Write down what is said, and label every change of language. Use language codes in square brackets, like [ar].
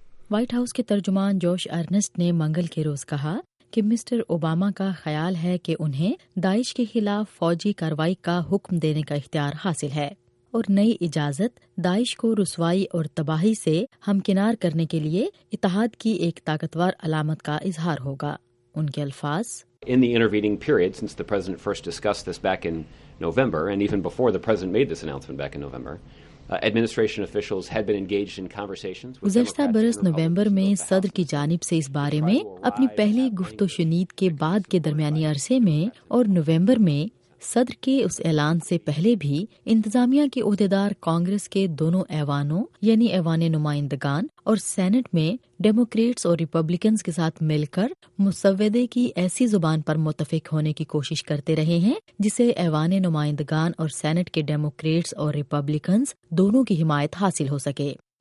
[ur] White house کے ترجمان جوش ارنسٹ نے منگل کے روز کہا کہ مسٹر اوباما کا خیال ہے کہ انہیں داعش کے خلاف فوجی کارروائی کا حکم دینے کا اختیار حاصل ہے اور نئی اجازت داعش کو رسوائی اور تباہی سے ہمکنار کرنے کے لیے اتحاد کی ایک طاقتور علامت کا اظہار ہوگا. ان کے الفاظ, [en] In the intervening period since the president first discussed this back in November and even before the president made this announcement back in November, administration officials had been engaged in conversations with [ur] گزشتہ برس نومبر میں صدر کی جانب سے اس بارے میں اپنی پہلی گفت و شنید کے بعد کے درمیانی عرصے میں اور نومبر میں صدر کے اس اعلان سے پہلے بھی انتظامیہ کے عہدیدار کانگریس کے دونوں ایوانوں یعنی ایوان نمائندگان اور سینٹ میں ڈیموکریٹس اور ریپبلکنز کے ساتھ مل کر مسودے کی ایسی زبان پر متفق ہونے کی کوشش کرتے رہے ہیں جسے ایوان نمائندگان اور سینٹ کے ڈیموکریٹس اور ریپبلکنز دونوں کی حمایت حاصل ہو سکے.